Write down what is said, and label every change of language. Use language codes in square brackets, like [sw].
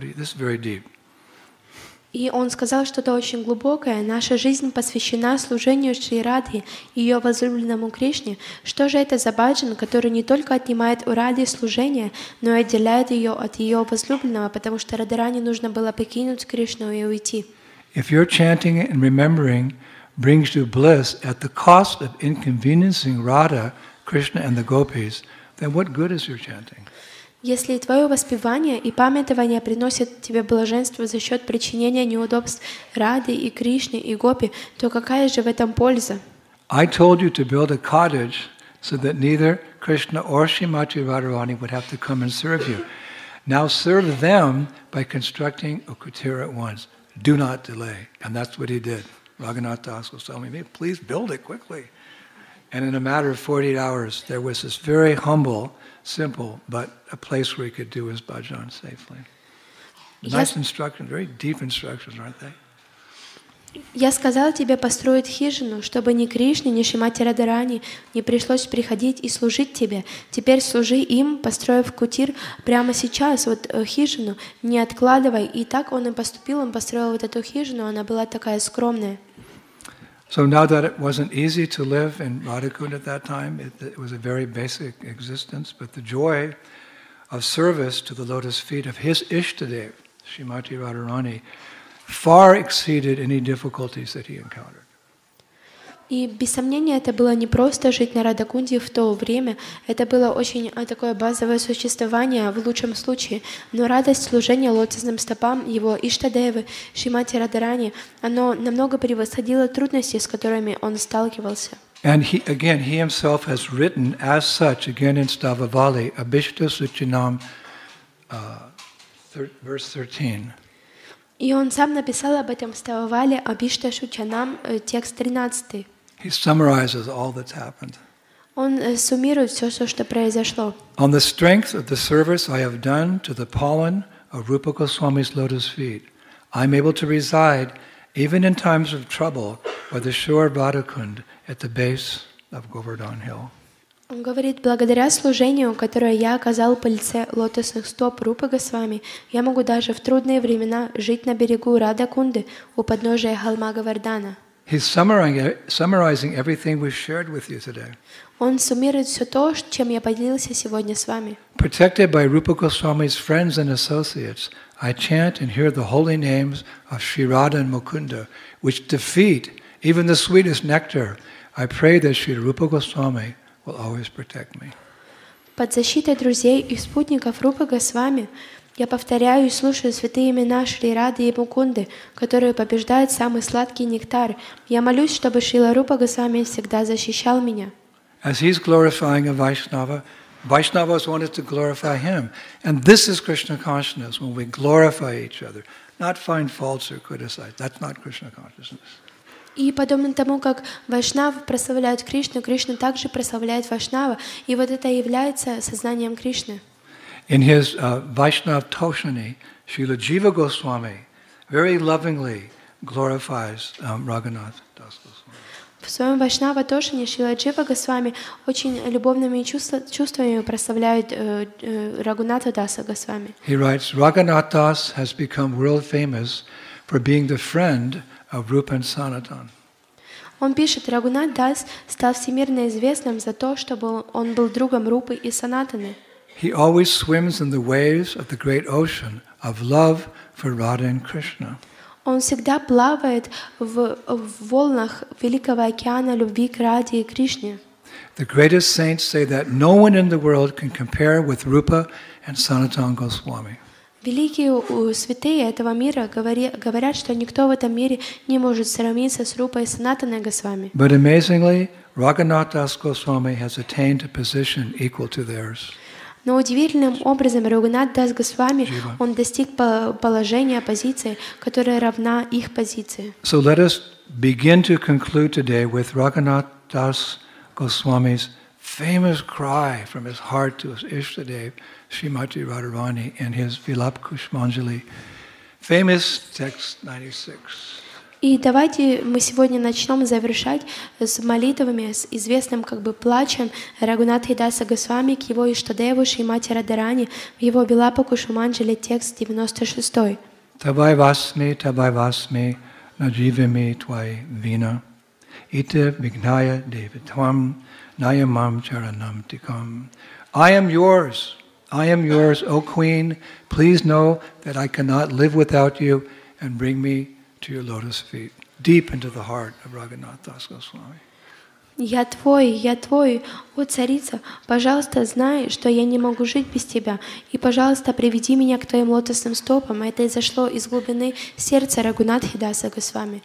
[en] This is very deep. [ru] И он сказал что-то очень глубокое. Наша жизнь посвящена служению Шри Радхе и ее возлюбленному Кришне. Что же это за баджан, который не только отнимает у Радхи служение, но и отделяет ее от ее возлюбленного, потому что Радхарани нужно было покинуть Кришну и уйти. [en] If your chanting and remembering brings you bliss at the cost of inconveniencing Radha, Krishna and the gopis, then what good is your chanting? [ru] Если твое воспевание и памятование приносят тебе блаженство за счет причинения неудобств Раде и Кришне и Гопи, то какая же в этом польза? [en] I told you to build a cottage so that neither Krishna or Srimati Radharani would have to come and serve you. Now serve them by constructing a kutira at once. Do not delay. And that's what he did. Raghunath Das was telling me, please build it quickly. And in a matter of 48 hours, there was this very humble, simple, but a place where he could do his bhajan safely. Nice instructions, very deep instructions, aren't they? [ru] Я сказал тебе построить хижину, чтобы ни Кришне, ни Шримати Радхарани не пришлось приходить и служить тебе. Теперь служи им, построив кутир прямо сейчас, вот хижину, не откладывай. И так он и поступил, он построил вот эту хижину, она была такая скромная. [en] So now that it wasn't easy to live in Radhakund at that time, it was a very basic existence, but the joy of service to the lotus feet of his Ishtadev, Srimati Radharani, far exceeded any difficulties that he encountered. [ru] И без сомнения, это было не просто жить на Радхакунде в то время. Это было очень такое базовое существование в лучшем случае. Но радость служения лотосным стопам его Иштадевы, Шримати Радхарани, оно намного превосходило трудности, с которыми он сталкивался. [en] And he, again, he himself has written as such, again in Stavavali, Abhishta Suchinam, verse 13. [ru] И он сам написал об этом в Стававале, Абишта Шучанам, текст 13. [en] He summarizes all that's happened. [ru] Он суммирует все, что произошло. [en] On the strength of the service I have done to the pollen of Rupa Goswami's lotus feet, I am able to reside, even in times of trouble, by the shore of Radhakund at the base of Govardhan Hill. [ru] Он говорит, благодаря служению, которое я оказал по лице лотосных стоп Рупы Госвами, я могу даже в трудные времена жить на берегу Радакунды у подножия холма Говардана. [en] He's summarizing everything we've shared with you today. [ru] Он суммирует все то, чем я поделился сегодня с вами. [en] Protected by Rupa Goswami's friends and associates, I chant and hear the holy names of Sri Radha and Mukunda, which defeat even the sweetest nectar. I pray that Sri Rupa Goswami will always protect me. [ru] Под защитой друзей и спутников Рупы Госвами я повторяю и слушаю святые имена Шри Рады и Мукунды, которые побеждают самый сладкий нектар. Я молюсь, чтобы Шрила Рупа Госвами всегда защищал меня. [en] As he's glorifying a Vaishnava, Vaishnavas wanted to glorify him. And this is Krishna consciousness, when we glorify each other, not find faults or criticize. That's not Krishna consciousness. [ru] И подобно тому, как Вайшнавы прославляют Кришну, Кришна также прославляет Вайшнава. И вот это является сознанием Кришны. [en] In his Vaishnava Toshani, Srila Jiva Goswami very lovingly glorifies Raghunath Das Goswami. [ru] В своем Вайшнава Тошине Шрила Джива Госвами очень любовными чувствами прославляет Рагунатха Даса Госвами. [en] He writes, Raghunath Das has become world famous for being the friend of Rupa and Sanatan. [ru] Он пишет, Рагунатха Дас стал всемирно известным за то, что он был другом Рупы и Санатаны. [en] He always swims in the waves of the great ocean of love for Radha and Krishna. [ru] Он всегда плавает в волнах великого океана любви к Раде и Кришне. [en] The greatest saints say that no one in the world can compare with Rupa and Sanatana Goswami. [ru] Великие святые этого мира говорят, что никто в этом мире не может сравниться с Рупой и Санатаной Госвами. [en] But amazingly, Raghunath Das Goswami has attained a position equal to theirs. [ru] Но удивительным образом Рагунат Дас Госвами он достиг положения, позиции, которая равна их позиции. [en] So let us begin to conclude today with Raghunath Das Goswami's famous cry from his heart to his Ishtadev, Srimati Radharani, in his Vilap Kushmanjali, famous text 96. [ru] И давайте мы сегодня начнем завершать с молитвами, с известным как бы плачем Рагунатхи Даса Госвами к его Иштадеву Шримати Радарани в его Вилапаку Шуманджале, текст 96. [sa] Тавай васми, тавай васми, надживими твои вина, ите вигная девитвам, найамам чаранам тикам. [en] I am yours, O Queen, please know that I cannot live without you and bring me to your lotus feet, deep into the heart of Raghunath Das Goswami. [ru] Я твой, я твой, о царица, пожалуйста, знай, что я не могу жить без тебя, и пожалуйста, приведи меня к твоим лотосным стопам. Это изошло из глубины сердца Рагунатхи Даса Госвами.